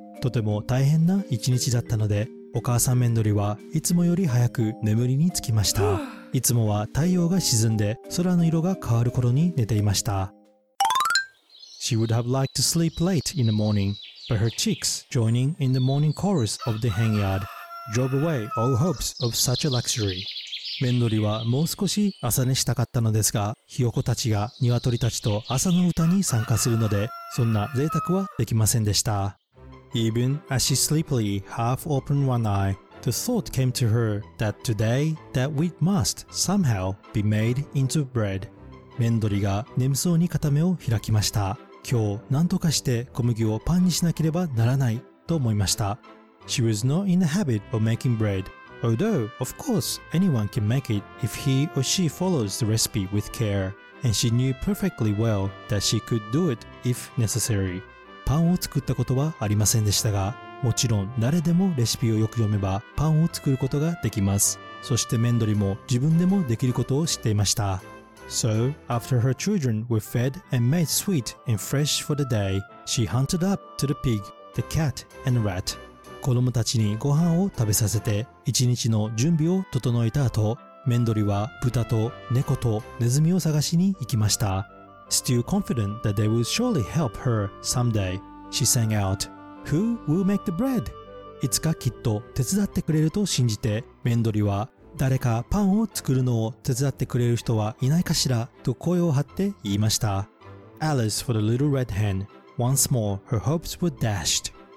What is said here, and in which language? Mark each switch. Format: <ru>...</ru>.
<ja>とても大変な一日だったので、お母さんメンドリはいつもより早く眠りにつきました。いつもは太陽が沈んで空の色が変わる頃に寝ていました。</ja> <en>She would have liked to sleep late in the morning, but her chicks, joining in the morning chorus of the henyard, drove away all hopes of such a luxury.</en> <ja>メンドリはもう少し朝寝したかったのですが、ひよこたちが鶏たちと朝の歌に参加するので、そんな贅沢はできませんでした。</ja> <en>Even as she sleepily half opened one eye, the thought came to her that today that wheat must somehow be made into bread.</en> <ja>麺鳥が眠そうに片目を開きました。今日何とかして小麦をパンにしなければならないと思いました。</ja> <en>She was not in the habit of making bread, although, of course, anyone can make it if he or she follows the recipe with care, and she knew perfectly well that she could do it if necessary.</en> <ja>パンを作ったことはありませんでしたが、もちろん誰でもレシピをよく読めばパンを作ることができます。そして麺鳥も自分でもできることを知っていました。</ja> <en>So, after her children were fed and made sweet and fresh for the day, she hunted up to the pig, the cat, and the rat.</en> <ja>子供たちにご飯を食べさせて、一日の準備を整えた後、麺鳥は豚と猫とネズミを探しに行きました。</ja> <en>Still confident that they would surely help her someday, she sang out, Who will make the bread?</en> <ja>いつかきっと手伝ってくれると信じて、麺鳥は、誰かパンを作るのを手伝ってくれる人はいないかしらと声を張って言いました。</ja> <en>Alice for the little red hen. Once more, her hopes were dashed.</en>